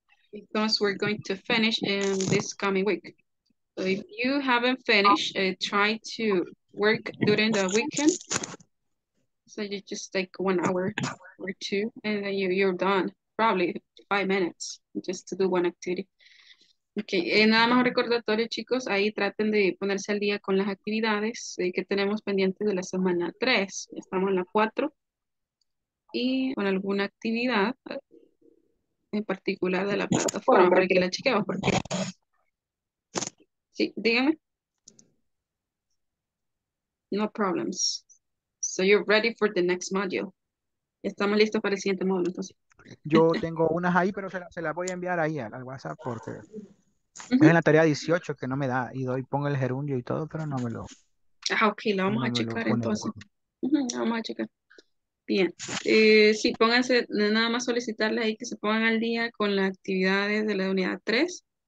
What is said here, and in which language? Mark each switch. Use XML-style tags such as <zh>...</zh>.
<en>Because we're going to finish in this coming week. So if you haven't finished, try to work during the weekend, so you just take 1 hour or two and then you're done, probably 5 minutes just to do one activity.</en> <es>Okay, y nada más recordatorio, chicos, ahí traten de ponerse al día con las actividades que tenemos pendientes de la semana 3. Estamos en la 4 y con alguna actividad en particular de la plataforma para que la chequemos, porque sí, díganme.</es> <en>No problems. So you're ready for the next module.</en> <es>Estamos listos para el siguiente módulo, entonces. Yo tengo unas ahí, pero se la voy a enviar ahí al WhatsApp porque uh-huh. es en la tarea 18 que no me da. Y doy, pongo el gerundio y todo, pero no me lo... Ah, ok, la vamos no a checar entonces. Uh-huh, vamos a checar. Bien. Sí, pónganse, nada más solicitarles ahí que se pongan al día con las actividades de la unidad 3.</es>